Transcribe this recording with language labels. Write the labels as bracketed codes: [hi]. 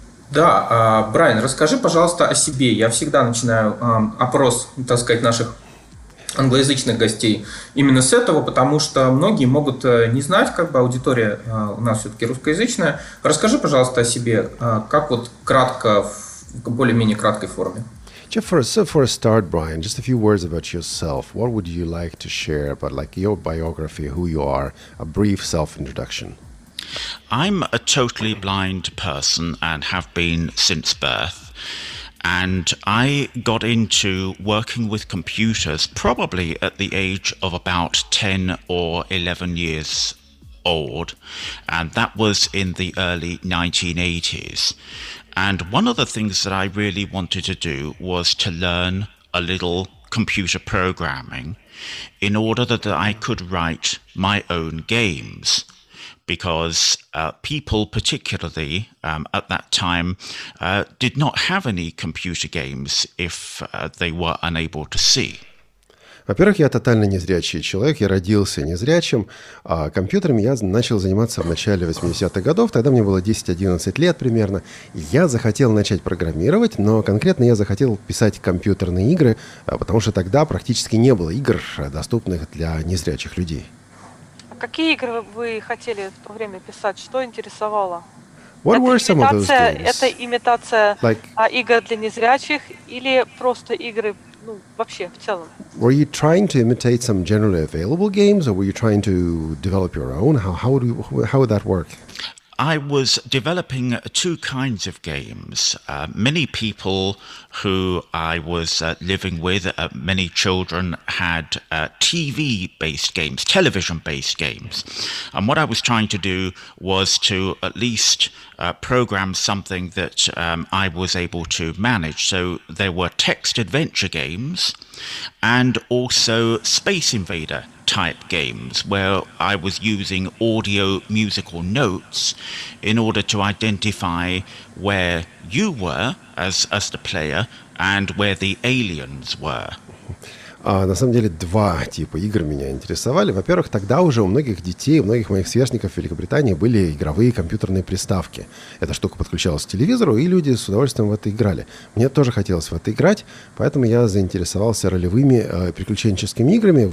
[ru] Да, Брайан, расскажи, пожалуйста, о себе. Я всегда начинаю опрос, так сказать, наших англоязычных гостей именно с этого, потому что многие могут не знать, как бы аудитория у нас все-таки русскоязычная. Расскажи, пожалуйста, о себе, как вот кратко, в более-менее краткой форме. [en] Just for a start, Brian, just a few words about yourself. What would you like to share about like your biography, who you are, a brief self-introduction? I'm a totally blind person and have been since birth. And I got into working with computers probably at the age of about 10 or 11 years old. And that was in the early 1980s. And one of the things that I really wanted to do was to learn a little computer programming in order that I could write my own games. Because people particularly at that time did not have any computer games if they were unable to see. [ru] Во-первых, я тотально незрячий человек, я родился незрячим. А компьютерами я начал заниматься в начале 80-х годов, тогда мне было 10-11 лет примерно. Я захотел начать программировать, но конкретно я захотел писать компьютерные игры, потому что тогда практически не было игр, доступных для незрячих людей. Какие игры вы хотели в то время писать? Что интересовало? [en] What [ru] это [en] were some of those games? [ru] Это имитация игр для незрячих или просто игры, ну, вообще, в целом? [en] Were you trying to imitate some generally available games or were you trying to develop your own? How would that work? I was developing two kinds of games. Many people who I was living with, many children had TV-based games, television-based games. And what I was trying to do was to at least program something that I was able to manage. So there were text adventure games and also Space Invader type games where I was using audio musical notes in order to identify where you were as the player and where the aliens were. [ru] На самом деле два типа игр меня интересовали. Во-первых, тогда уже у многих детей, у многих моих сверстников в Великобритании были игровые компьютерные приставки. Эта штука подключалась к телевизору, и люди с удовольствием в это играли. Мне тоже хотелось в это играть, поэтому я заинтересовался ролевыми приключенческими играми.